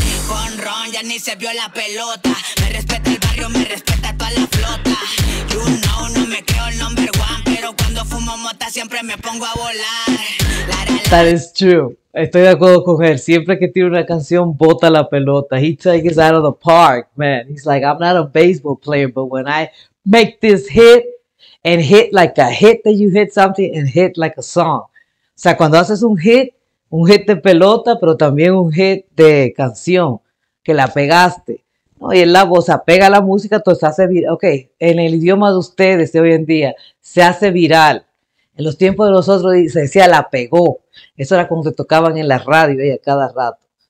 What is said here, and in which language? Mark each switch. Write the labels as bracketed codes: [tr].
[es] Jonrón, ya ni se vio la pelota. Me respeta el barrio, me respeta toda la flota. [en] You know, [es] no me creo el number one. Cuando fumo mota siempre me pongo a volar. [en] That is true. [es] Estoy de acuerdo con él. Siempre que tira una canción, bota la pelota. [en] He takes it out of the park, man. He's like, I'm not a baseball player, but when I make this hit, and hit like a hit that you hit something, and hit like a song. [es] O sea, cuando haces un hit de pelota, pero también un hit de canción, que la pegaste, ¿no? Y él la voz, o sea, pega la música, entonces hace viral. Ok, en el idioma de ustedes de hoy en día, se hace viral. En los tiempos de nosotros se decía la pegó. Eso era cuando te tocaban en la radio y a cada rato.